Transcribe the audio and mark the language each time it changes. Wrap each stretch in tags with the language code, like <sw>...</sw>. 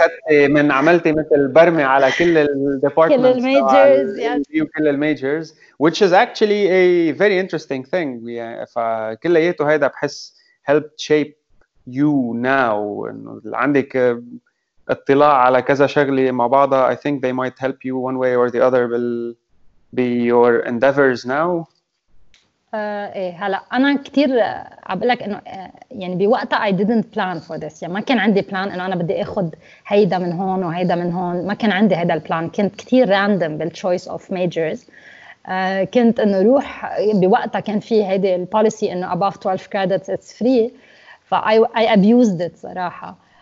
<ar>من عملتي مثل برمي على كل ال departments. كل الميجرز. Yes. كل الميجرز.</ar> <en>Which is actually a very interesting thing. Yeah.</en> <ar>فكل شيء هذا بحس helped shape you now. إنه عندك اطلاع على كذا شغلة مع بعضها.</ar> <en>I think they might help you one way or the other be your endeavors now.</en> <ar>إيه هلا أنا كتير عبقلك إنه يعني بوقتها</ar> <en>I didn't plan for this</en> <ar>يعني ما كان عندي plan إنه أنا بدي أخد هيدا من هون وهيدا من هون ما كان عندي هيدا plan كنت كتير random بال</ar> <en>choice of majors</en> <ar>كنت إنه روح بوقتها كان في هيدا policy إنه</ar> <en>above 12 credits it's free</en> <ar>ف</ar> <en>I abused it</en> <ar>صراحة</ar>